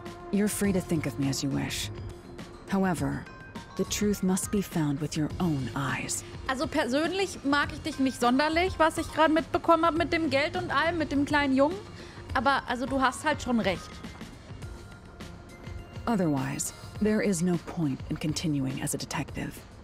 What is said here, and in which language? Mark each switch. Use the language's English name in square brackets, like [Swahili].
[English] You're free to think of me as you wish. However, the truth must be found with your own eyes. [German] Also persönlich mag ich dich nicht sonderlich, was ich gerade mitbekommen habe mit dem Geld und allem, mit dem kleinen Jungen. Aber also du hast halt schon recht. [English] Otherwise, there is no point in continuing as a detective.